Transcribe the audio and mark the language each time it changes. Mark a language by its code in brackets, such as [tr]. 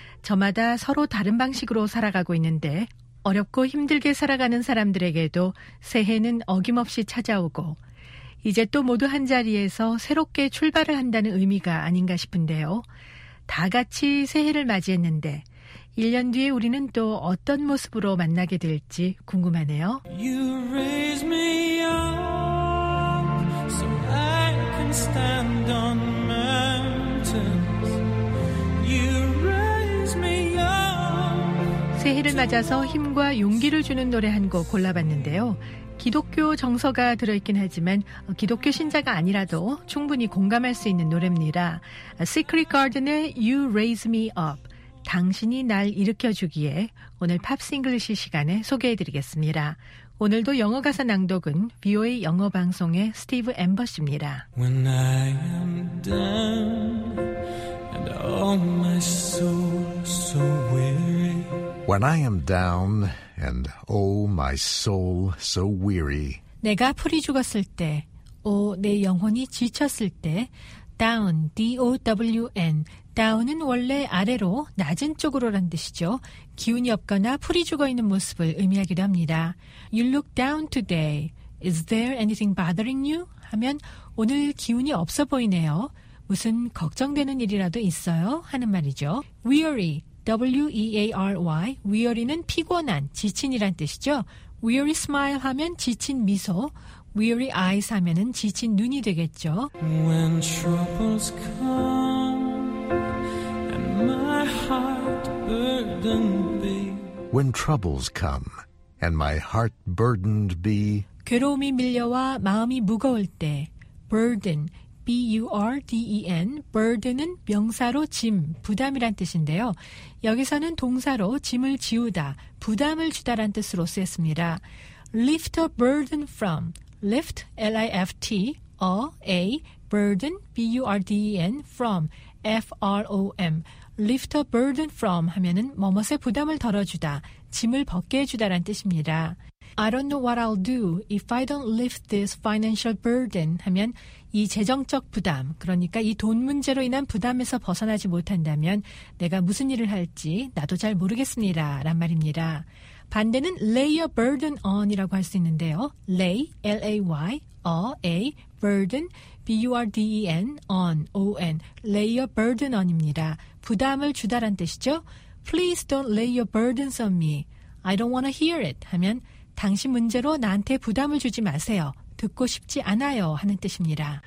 [ko] 저마다 서로 다른 방식으로 살아가고 있는데 어렵고 힘들게 살아가는 사람들에게도 새해는 어김없이 찾아오고 이제 또 모두 한자리에서 새롭게 출발을 한다는 의미가 아닌가 싶은데요. 다 같이 새해를 맞이했는데 1년 뒤에 우리는 또 어떤 모습으로 만나게 될지 궁금하네요. [en] You raise me up so I can stand on mountains. You raise me up. [ko] 새해를 맞아서 힘과 용기를 주는 노래 한 곡 골라봤는데요. 기독교 정서가 들어있긴 하지만 기독교 신자가 아니라도 충분히 공감할 수 있는 노래입니다. [en] Secret Garden의 You Raise Me Up. [ko] 당신이 날 일으켜주기에 오늘 팝스 잉글리시 시간에 소개해드리겠습니다. 오늘도 영어 가사 낭독은 VOA 영어 방송의 스티브 앰버시입니다. [en] When I am down and all my soul so weary. When I am down and oh my soul so weary. [ko] 내가 풀이 죽었을 때, 오 내 영혼이 지쳤을 때, down, D-O-W-N. down은 원래 아래로 낮은 쪽으로란 뜻이죠. 기운이 없거나 풀이 죽어 있는 모습을 의미하기도 합니다. [en] You look down today. Is there anything bothering you? [ko] 하면 오늘 기운이 없어 보이네요. 무슨 걱정되는 일이라도 있어요? 하는 말이죠. weary, W-E-A-R-Y. weary는 피곤한, 지친이란 뜻이죠. weary smile 하면 지친 미소, weary eyes 하면은 지친 눈이 되겠죠. [en] When troubles come and my heart burdened be. When troubles come and my heart burdened be. [ko] 괴로움이 밀려와 마음이 무거울 때, burden, B-U-R-D-E-N. burden은 명사로 짐, 부담이란 뜻인데요. 여기서는 동사로 짐을 지우다, 부담을 주다란 뜻으로 쓰였습니다. [en] Lift a burden from. Lift, L-I-F-T, a, a, burden, B-U-R-D-E-N, from, F-R-O-M. Lift a burden from [ko] 하면은 뭐뭇에 부담을 덜어주다, 짐을 벗게 해주다란 뜻입니다. [en] I don't know what I'll do if I don't lift this financial burden [ko] 하면 이 재정적 부담, 그러니까 이 돈 문제로 인한 부담에서 벗어나지 못한다면 내가 무슨 일을 할지 나도 잘 모르겠습니다. 란 말입니다. 반대는 lay a burden on이라고 할 수 있는데요. [en] lay, L-A-Y, a, a, burden, B-U-R-D-E-N, on, O-N, lay a burden on입니다. [ko] 부담을 주다란 뜻이죠. [en] Please don't lay your burdens on me. I don't want to hear it [ko] 하면 당신 문제로 나한테 부담을 주지 마세요. 듣고 싶지 않아요 하는 뜻입니다.